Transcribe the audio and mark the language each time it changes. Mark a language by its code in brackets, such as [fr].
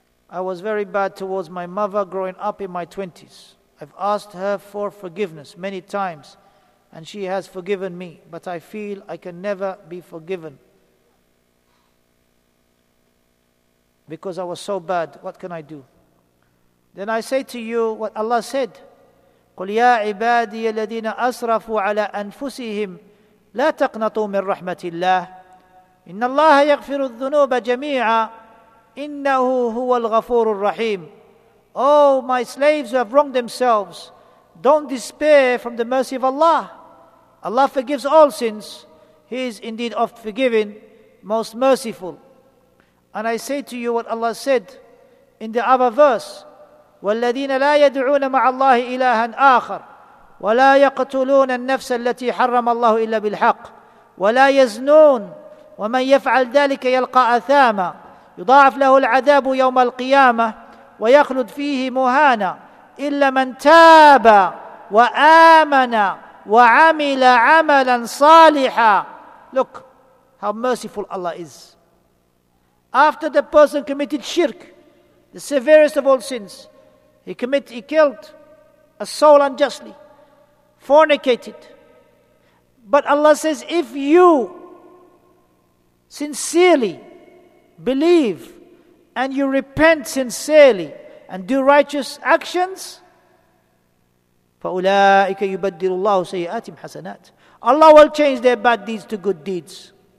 [en] I was very bad towards my mother growing up in my 20s. I've asked her for forgiveness many times, and she has forgiven me, but I feel I can never be forgiven because I was so bad. What can I do? Then I say to you what Allah said, [ar] قُلْ يَا عِبَادِيَ الَّذِينَ أَسْرَفُوا عَلَىٰ أَنفُسِهِمْ لَا تَقْنَطُوا مِنْ رَحْمَةِ اللَّهِ إِنَّ اللَّهَ يَغْفِرُ الذُّنُوبَ جَمِيعًا إِنَّهُ هُوَ الْغَفُورُ الرَّحِيمُ. [en] Oh, my slaves who have wronged themselves, don't despair from the mercy of Allah. Allah forgives all sins. He is indeed oft forgiven, most merciful. And I say to you what Allah said in the other verse, [ar] والذين لا يدعون مع الله إلها آخر ولا يقتلون النفس التي حرم الله إلا بالحق ولا يزنون ومن يفعل ذلك يلقى أثاما يضاعف له العذاب يوم القيامة ويخلد فيه مهانا إلا من تاب وآمن وعمل عملا صالحا. [en] Look how merciful Allah is. After the person committed shirk, the severest of all sins, he killed a soul unjustly, fornicated. But Allah says, if you sincerely believe and you repent sincerely and do righteous actions, [ar] فَأُولَٰئِكَ يُبَدِّلُ اللَّهُ سَيِّئَاتِهِمْ حَسَنَاتٍ, [en] Allah will change their bad deeds to good deeds.